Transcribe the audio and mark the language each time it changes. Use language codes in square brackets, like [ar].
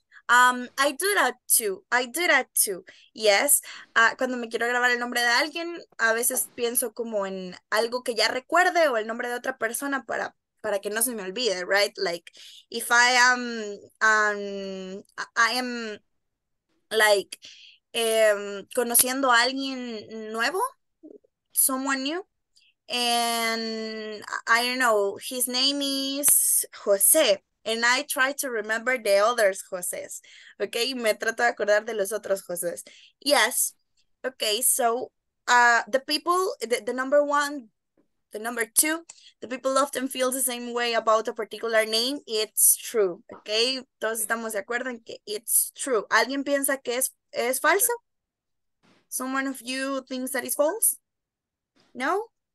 [en] I do that too. I do that too. Yes. [es] Cuando me quiero grabar el nombre de alguien, a veces pienso como en algo que ya recuerde o el nombre de otra persona para que no se me olvide, right? [en] Like, if I am, I am like, [es] conociendo a alguien nuevo, [en] someone new, and I don't know, his name is José, and I try to remember the others José's, okay? [es] Me trato de acordar de los otros José's. [en] Yes, okay, so the number two, the people often feel the same way about a particular name. It's true, okay? [es] Todos estamos de acuerdo en que [en] it's true. [es] ¿Alguien piensa que es falso? [en] Someone of you thinks that is false? No?